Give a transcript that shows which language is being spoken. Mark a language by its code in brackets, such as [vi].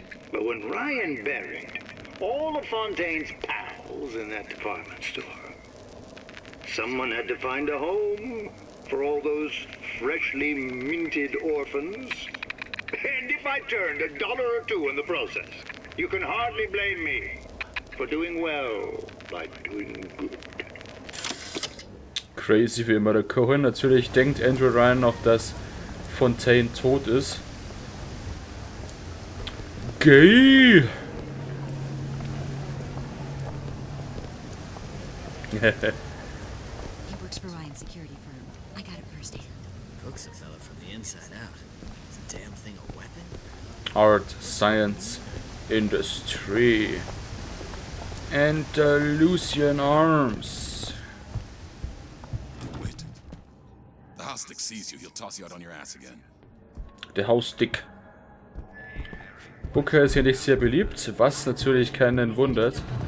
[en] But when Ryan buried all of Fontaine's pals in that department store, someone had to find a home for all those freshly minted orphans. And if I turned a dollar or two in the process, you can hardly blame me for doing well by doing good. [de] Crazy wie immer der Cohen. Natürlich denkt Andrew Ryan noch, dass Fontaine tot ist. [en] Gay! He works for Ryan Security Firm. I got it first hand. Cooks a fella from the inside out. Damn thing a weapon? Art, science, industry. Andalusian arms. Wait. The house dick sees you, he'll toss you out on your ass again. [de] Der House Dick. Booker ist hier nicht sehr beliebt, was natürlich keinen wundert.